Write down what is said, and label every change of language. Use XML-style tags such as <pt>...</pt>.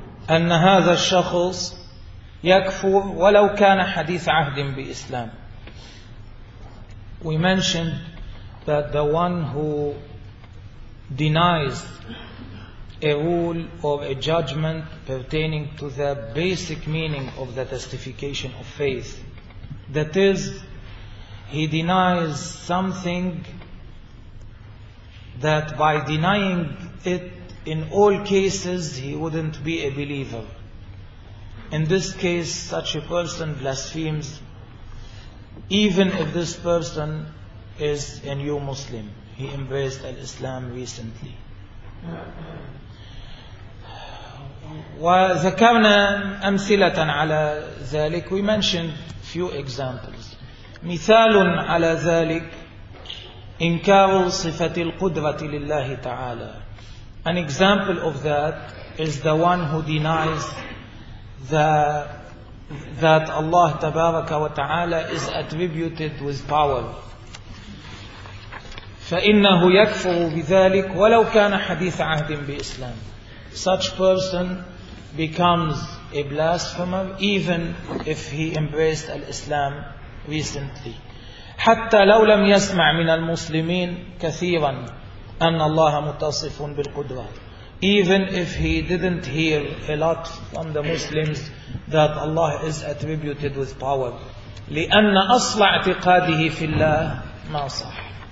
<ar>أن هذا الشخص يكفر ولو كان حديث عهد بإسلام.</ar> <en>We mentioned that the one who denies a rule or a judgment pertaining to the basic meaning of the testification of faith, that is, he denies something that by denying it in all cases he wouldn't be a believer. In this case, such a person blasphemes, even if this person is a new Muslim. He embraced Islam recently.</en> <ar>وذكرنا أمثلة على ذلك.</ar> <en>We mentioned few examples.</en> <ar>مثال على ذلك إنكار صفة القدرة لله تعالى.</ar> <en>An example of that is the one who denies that Allah</en> <ar>تبارك وتعالى</ar> <en>is attributed with power.</en> <ar>فإنه يكفر بذلك ولو كان حديث عهد بإسلام.</ar> <en>Such person becomes a blasphemer even if he embraced Islam recently.</en> <ar>حتى لو لم يسمع من المسلمين كثيرا أن الله متصف بالقدرة.</ar> <en>Even if he didn't hear a lot from the Muslims that Allah is attributed with power.</en> <ar>لأن أصل اعتقاده في الله ما صح.</ar>